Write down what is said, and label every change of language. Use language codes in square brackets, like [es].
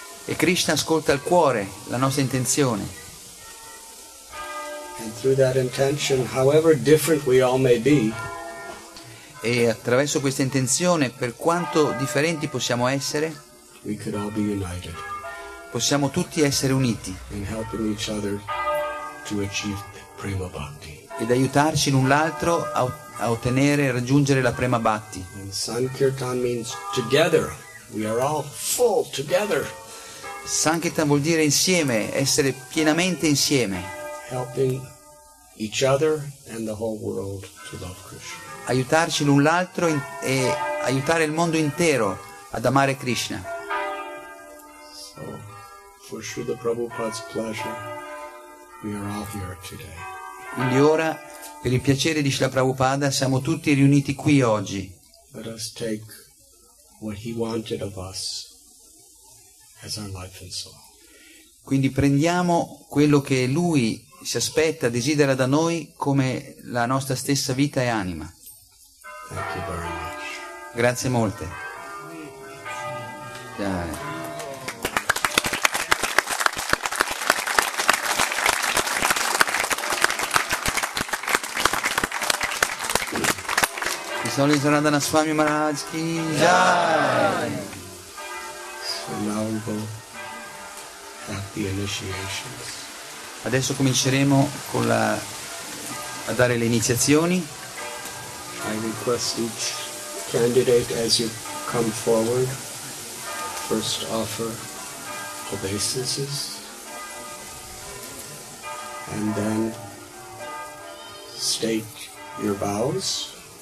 [it] E Krishna ascolta il cuore, la nostra intenzione. [en] And through that intention, however different we all may be, [it] e attraverso questa intenzione, per quanto differenti possiamo essere, [en] we could all be united. [it] Possiamo tutti essere uniti [en] in helping each other to achieve the prema bhakti. [it] Ed aiutarci l'un l'altro a ottenere e raggiungere la prema bhakti. [en] And Sankirtan means together. We are all full together. [it] Sankirtan vuol dire insieme, essere pienamente insieme. [en] helping each other and the whole world to love Krishna. [it] Aiutarci l'un l'altro e aiutare il mondo intero ad amare Krishna. [en] So, for Srila Prabhupada's pleasure, we are all here today. [it] Quindi ora, per il piacere di Srila Prabhupada, siamo tutti riuniti qui oggi. [en] Let us take what he wanted of us as our life and soul. [it] Quindi prendiamo quello che lui si aspetta, desidera da noi come la nostra stessa vita e anima. [en] Thank you very much. [it] Grazie molte. Jai. [en] So now we will have the initiations. [it] Adesso cominceremo con la a dare le iniziazioni. [en] I request each candidate as you come forward first offer obeisances and then state your vows.